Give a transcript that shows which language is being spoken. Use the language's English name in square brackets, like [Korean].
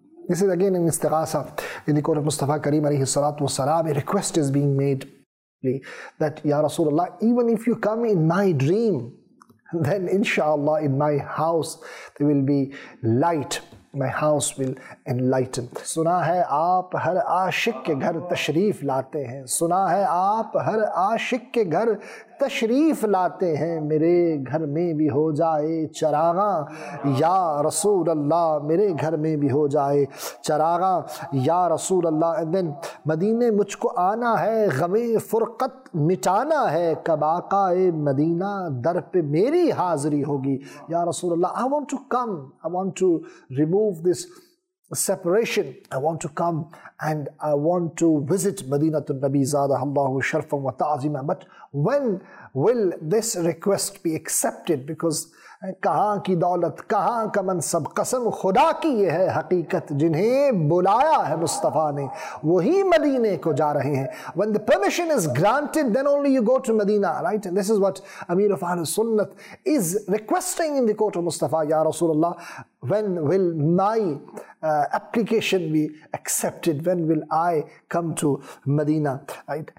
[English] This is again an istighasa in the court of Mustafa Kareem alayhi salatu wasalam. A request is being made that Ya Rasulullah, even if you come in my dream, then inshallah in my house there will be light. My house will enlighten. [Urdu] سنا ہے آپ ہر عاشق کے گھر تشریف لاتے ہیں سنا ہے آپ ہر عاشق کے گھر تشریف لاتے ہیں میرے گھر میں بھی ہو جائے چراغاں یا رسول اللہ میرے گھر میں بھی ہو جائے چراغاں یا رسول اللہ. [English] And then [Urdu] مدینے مجھ کو آنا ہے غم فرقت مٹانا ہے کب آقا مدینہ در پہ میری حاضری ہوگی یا رسول اللہ. [English] I want to come, I want to remove this separation, I want to come and I want to visit Madinatul Nabi Zadahallahu Sharfan wa Ta'zima. But when will this request be accepted? Because [Urdu] کہاں کی دولت کہاں کا منصب قسم خدا کی یہ ہے حقیقت جنہیں بلایا ہے مصطفیٰ نے وہی مدینے کو جا رہے ہیں. [English] When the permission is granted then only you go to Medina, right? And this is what Amir of Ahl Sunnat is requesting in the court of Mustafa. Ya Rasulullah, when will my application be accepted? When will I come to Medina, right?